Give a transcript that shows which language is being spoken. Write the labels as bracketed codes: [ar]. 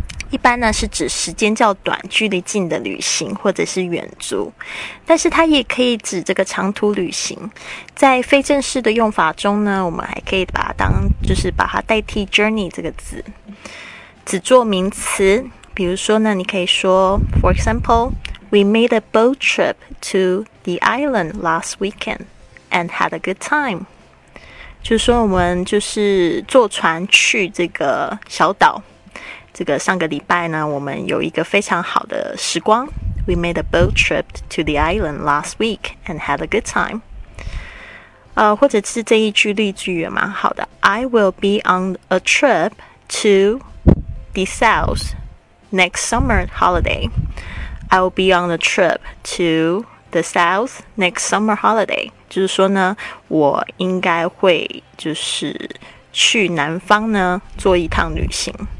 [zh] 一般呢是指时间较短、距离近的旅行或者是远足，但是它也可以指这个长途旅行。在非正式的用法中呢，我们还可以把它当就是把它代替 journey 这个字，只做名词。比如说呢，你可以说 [en] ，For example, we made a boat trip to the island last weekend and had a good time。 [zh] 就是说我们就是坐船去这个小岛。这个上个礼拜呢，我们有一个非常好的时光。 [en] We made a boat trip to the island last week and had a good time。 [zh] 或者是这一句例句也蛮好的。 [en] I will be on a trip to the south next summer holiday. I will be on a trip to the south next summer holiday. [zh] 就是说呢，我应该会就是去南方呢做一趟旅行。